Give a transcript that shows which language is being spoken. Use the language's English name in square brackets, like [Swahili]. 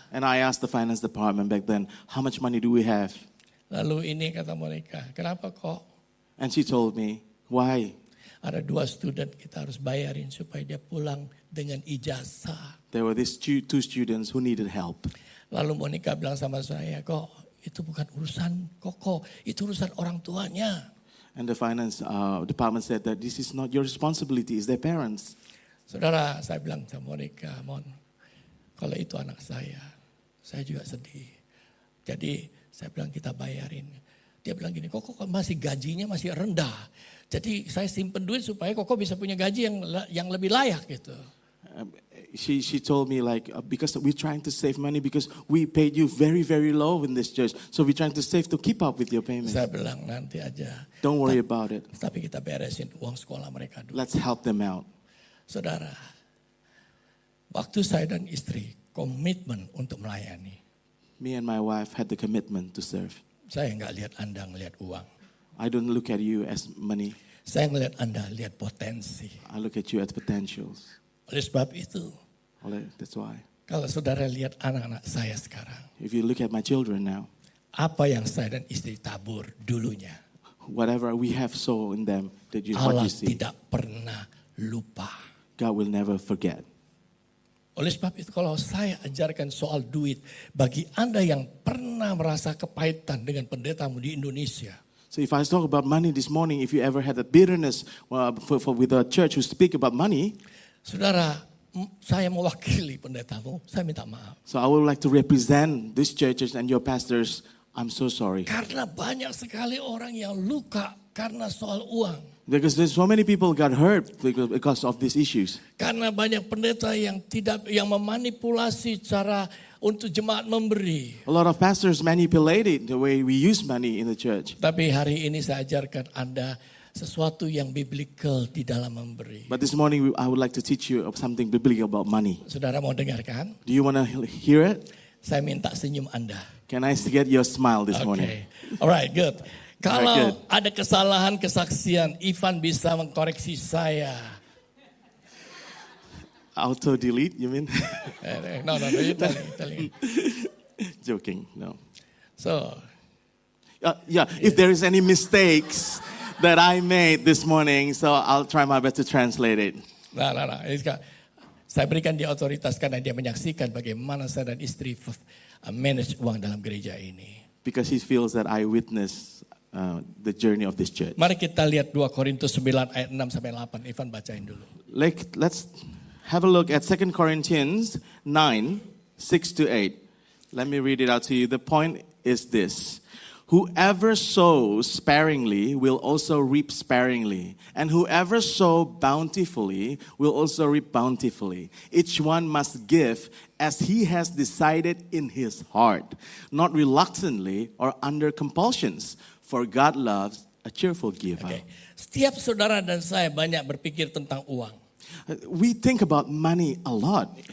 [English] And I asked the finance department back then, how much money do we have? [Indonesian] Lalu ini kata Monica, kenapa kok? [English] And she told me, why? [Indonesian] Ada dua student kita harus bayarin supaya dia pulang dengan ijazah. [English] There were these two students who needed help. [Indonesian] Lalu Monica bilang sama saya, kok itu bukan urusan koko, itu urusan orang tuanya. [English] And the finance department said that this is not your responsibility, it's their parents. [Indonesian] Saudara, saya bilang sama Monica, Mon, kalau itu anak saya juga sedih. Jadi saya bilang kita bayarin. Dia bilang gini, koko masih gajinya masih rendah. Jadi saya simpen duit supaya koko bisa punya gaji yang lebih layak gitu. [English] She told me like, because we're trying to save money because we paid you very, very low in this church. So we're trying to save to keep up with your payment. [Indonesian] Saya bilang nanti aja. [English] Don't worry about it. [Indonesian] Tapi kita beresin uang sekolah mereka dulu. [English] Let's help them out. [Indonesian] Saudara, waktu saya dan istri komitmen untuk melayani. [English] Me and my wife had the commitment to serve. [Indonesian] Saya enggak lihat Anda ngelihat uang. [English] I don't look at you as money. [Indonesian] Saya ngelihat Anda lihat potensi. [English] I look at you as potentials. [Indonesian] Oleh sebab itu. [English] That's why. [Indonesian] Kalau saudara lihat anak-anak saya sekarang. [English] If you look at my children now. [Indonesian] Apa yang saya dan istri tabur dulunya. [English] Whatever we have saw in them that you, [Indonesian] Allah [English] what you see. [Indonesian] Allah tidak pernah lupa. [English] God will never forget. [Indonesian] Oleh sebab itu kalau saya ajarkan soal duit bagi Anda yang pernah merasa kepahitan dengan pendetamu di Indonesia. [English] So if I talk about money this morning, if you ever had a bitterness with a church who speak about money. [Indonesian] Saudara, saya mewakili pendetamu, saya minta maaf. [English] So I would like to represent these churches and your pastors, I'm so sorry. [Indonesian] Karena banyak sekali orang yang luka karena soal uang. [English] Because there's so many people got hurt because of these issues. [Indonesian] Karena banyak pendeta yang memanipulasi cara untuk jemaat memberi. [English] A lot of pastors manipulated the way we use money in the church. [Indonesian] Tapi hari ini saya ajarkan Anda sesuatu yang biblical di dalam memberi. [English] But this morning I would like to teach you something biblical about money. [Indonesian] Saudara mau dengarkan? [English] Do you want to hear it? [Indonesian] Saya minta senyum Anda. [English] Can I get your smile this okay. morning? All right, good. [Indonesian] Kalau ada kesalahan kesaksian, Ivan bisa mengkoreksi saya. [English] Auto delete, you mean? No, you telling. Joking, no. So, if there is any mistakes that I made this morning, so I'll try my best to translate it. Nah. [Indonesian] Saya berikan dia otoritas karena dia menyaksikan bagaimana saya dan istri manage uang dalam gereja ini. [English] Because he feels that I witness the journey of this church. [Indonesian] Mari kita lihat 2 Korintus 9 ayat 6 sampai 8. Ivan bacain dulu. [English] Let's have a look at 2 Corinthians 9, 6 to 8. Let me read it out to you. The point is this. Whoever sows sparingly will also reap sparingly. And whoever sows bountifully will also reap bountifully. Each one must give as he has decided in his heart, not reluctantly or under compulsions. For God loves a cheerful giver. Okay. [Indonesian] Setiap saudara dan saya banyak berpikir tentang uang. [English] We think about money a lot.